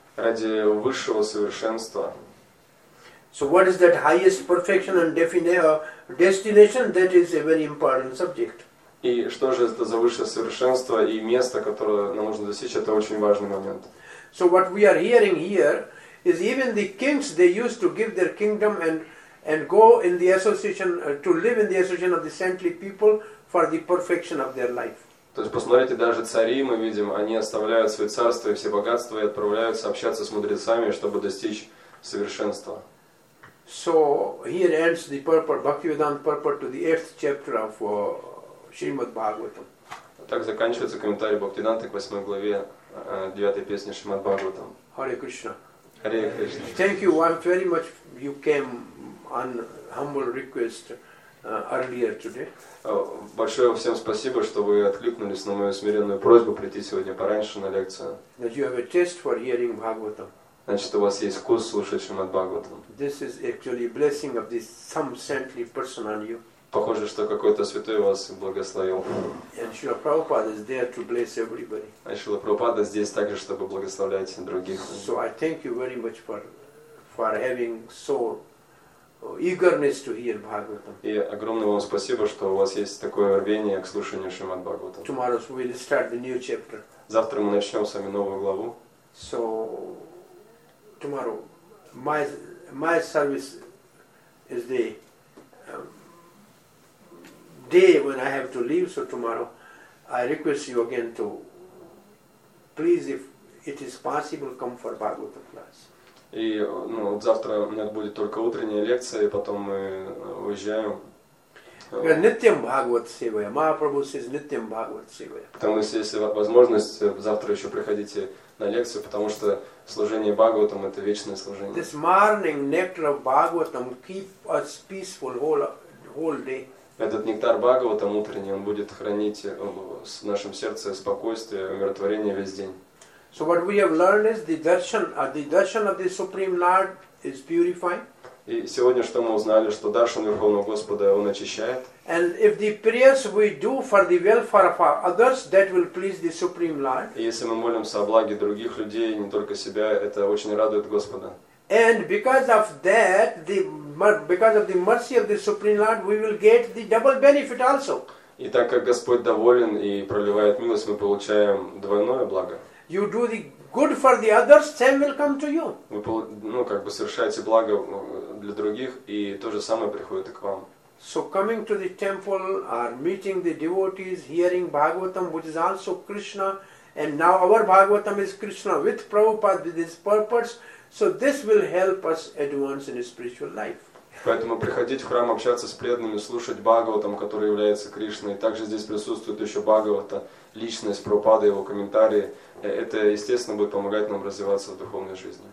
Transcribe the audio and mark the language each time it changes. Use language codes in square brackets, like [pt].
[ru] Ради высшего совершенства. [en] So what is that highest perfection and destination? That is a very important subject. [ru] И что же это за высшее совершенство и место, которое нам нужно достичь, это очень важный момент. [en] So what we are hearing here is even the kings, they used to give their kingdom and go in the association, to live in the association of the saintly people for the perfection of their life. [ru] То есть посмотрите, даже цари, мы видим, они оставляют свои царства и все богатства и отправляются общаться с мудрецами, чтобы достичь совершенства. [en] So here ends the purport, Bhaktivedanta purport to the 8th chapter of Shrimad Bhagavatam. [ru] Так заканчивается комментарий Бхактиданты к 8 главе 9 песни Шримад Бхагаватам. [en] Hare Krishna. Hare Krishna. Thank you very much you came on humble request earlier today. [ru] Большое всем спасибо, что вы откликнулись на мою смиренную просьбу прийти сегодня пораньше на лекцию. [en] That you have a taste for hearing Bhagavatam. [ru] Значит, у вас есть вкус слушать Шримад Бхагаватам. [en] This is actually a blessing of this some saintly person on you. [ru] Похоже, что какой-то святой вас благословил. [en] And Srila Prabhupada is there to bless everybody. [ru] А Шрила Прабхупада здесь также, чтобы благословлять других. [en] So I thank you very much for having so eagerness to hear Bhagavatam. [ru] И огромное вам спасибо, что у вас есть такое рвение к слушанию Шримад Бхагаватам. [en] Tomorrow we will start the new chapter. [ru] Завтра мы начнем с вами новую главу. [en] So tomorrow my service is the day when I have to leave. So tomorrow I request you again to please, if it is possible, come for Bhagavatam class. [ru] И ну вот завтра у меня будет только утренняя лекция, и потом мы уезжаем. [sa] Nityam Bhagavat Sevaya. Mahaprabhu says Nityam Bhagavat Sevaya. [ru] Потому что если возможность, завтра еще приходите на лекцию, потому что служение Бхагаватам это вечное служение. [en] This morning nectar of Bhagavatam keep us peaceful whole day. [ru] Этот нектар Бхагаватам утренний, он будет хранить в нашем сердце спокойствие, умиротворение весь день. [en] So what we have learned is the darshan of the Supreme Lord is purifying. [ru] И сегодня что мы узнали, что даршан Верховного Господа он очищает. [en] And if the prayers we do for the welfare of others, that will please the Supreme Lord. [ru] И если мы молимся о благе других людей, не только себя, это очень радует Господа. [en] And because of that, because of the mercy of the Supreme Lord, we will get the double benefit also. [ru] И так как Господь доволен и проливает милость, мы получаем двойное благо. [en] You do the good for the others, same will come to you. [ru] Вы, ну, как бы совершаете благо для других, и то же самое приходит и к вам. [en] So coming to the temple, or meeting the devotees, hearing Bhagavatam, which is also Krishna, and now our Bhagavatam is Krishna with Prabhupada, with his purpose. So this will help us advance in spiritual life. [ru] Поэтому приходить в храм, общаться с преданными, слушать Бхагаватам, который является Кришной, также здесь присутствует еще Бхагавата, личность Прабхупады, его комментарии. Это, естественно, будет помогать нам развиваться в духовной жизни.